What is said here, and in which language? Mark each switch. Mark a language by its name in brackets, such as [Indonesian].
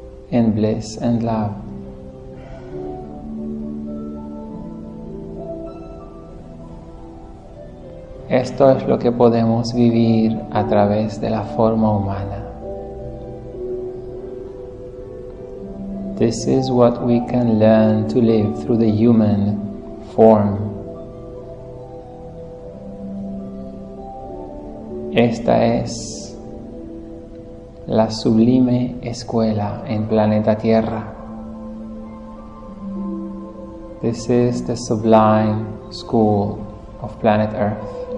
[English] In bliss and love. [Spanish] Esto es lo que podemos vivir a través de la forma humana. [English] This is what we can learn to live through the human form. [Spanish] Esta es la sublime escuela en planeta Tierra. [English] This is the sublime school of planet Earth.